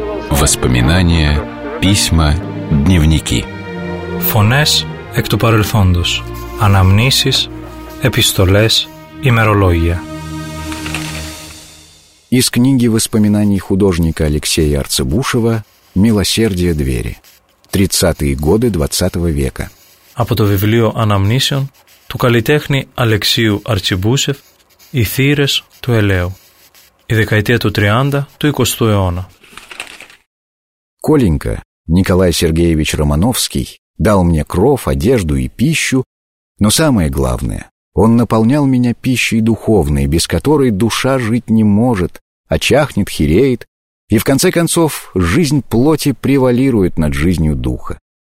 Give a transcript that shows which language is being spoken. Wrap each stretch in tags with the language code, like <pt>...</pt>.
<ru>Воспоминания, письма, дневники.</ru> <el>Φωνές εκ του παρελθόντος. Αναμνήσεις, επιστολές, ημερολόγια.</el> <ru>Из книги воспоминаний художника Алексея Арцебушева «Милосердие двери. 30-е годы 20 века».</ru> <el>Από το βιβλίο «Αναμνήσεων» του καλλιτέχνη Αλεξίου Αρτσιμπούσεφ «Οι θύρες του Ελαίου». Η δεκαετία του 30 του 20ου αιώνα.</el> <ru>Коленька, Николай Сергеевич Романовский, дал мне кров, одежду и пищу, но самое главное, он наполнял меня пищей духовной, без которой душа жить не может, а чахнет, хиреет, и в конце концов жизнь плоти превалирует над жизнью духа.</ru>